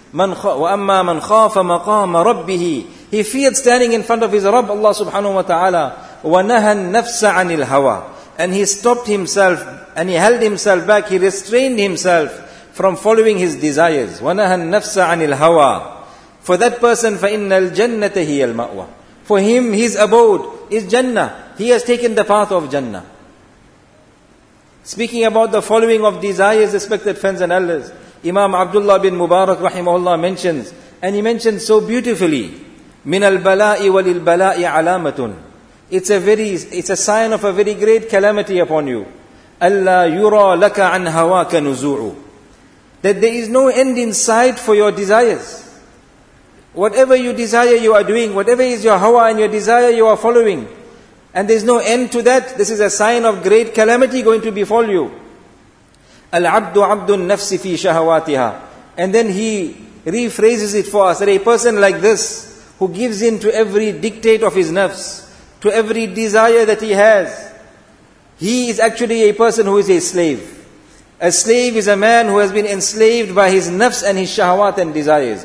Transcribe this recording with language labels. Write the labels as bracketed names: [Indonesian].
[Arabic] وَأَمَّا مَنْ خَافَ مَقَامَ رَبِّهِ. [English] He feared standing in front of his Rabb, Allah subhanahu wa ta'ala. [Arabic] وَنَهَا النَّفْسَ عَنِ الْهَوَى. [English] And he stopped himself and he held himself back. He restrained himself from following his desires. [Arabic] وَنَهَا النَّفْسَ عَنِ الْهَوَى. [English] For that person, [Arabic] فَإِنَّ الْجَنَّةَ هِيَ الْمَأْوَى. [English] For him, his abode is Jannah. He has taken the path of Jannah. Speaking about the following of desires, respected friends and elders, Imam Abdullah bin Mubarak rahimahullah mentions, and he mentions so beautifully, [Arabic] مِنَ الْبَلَاءِ وَلِلْبَلَاءِ عَلَامَةٌ. [English] It's a sign of a very great calamity upon you. [Arabic] أَلَّا يُرَى لَكَ عَنْ هَوَاكَ نُزُوعُ. [English] That there is no end in sight for your desires. Whatever you desire, you are doing. Whatever is your hawa and your desire, you are following. And there's no end to that. This is a sign of great calamity going to befall you. [Arabic] العبد عبد النفس في شهواتها. [English] And then he rephrases it for us, that a person like this, who gives in to every dictate of his nafs, to every desire that he has, he is actually a person who is a slave. A slave is a man who has been enslaved by his nafs and his shahawat and desires.